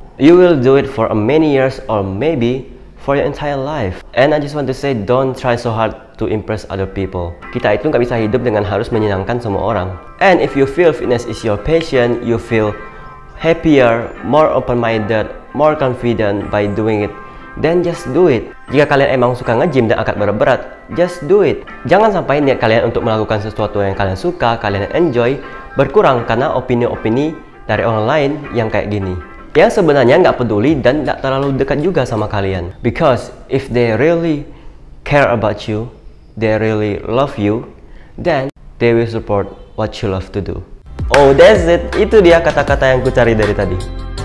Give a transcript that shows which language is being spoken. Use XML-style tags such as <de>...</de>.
<en>You will do it for many years or maybe for your entire life. And I just want to say, don't try so hard to impress other people.</en> <id>Kita itu gak bisa hidup dengan harus menyenangkan semua orang.</id> <en>And if you feel fitness is your passion, you feel happier, more open-minded, more confident by doing it, then just do it.</en> <id>Jika kalian emang suka nge-gym dan angkat berat,</id> <en>just do it.</en> <id>Jangan sampai niat kalian untuk melakukan sesuatu yang kalian suka, kalian enjoy, berkurang karena opini-opini dari orang lain yang kayak gini. Yang sebenarnya nggak peduli dan nggak terlalu dekat juga sama kalian.</id> <en>Because if they really care about you, they really love you, then they will support what you love to do. Oh, that's it.</en> <id>Itu dia kata-kata yang ku cari dari tadi.</id>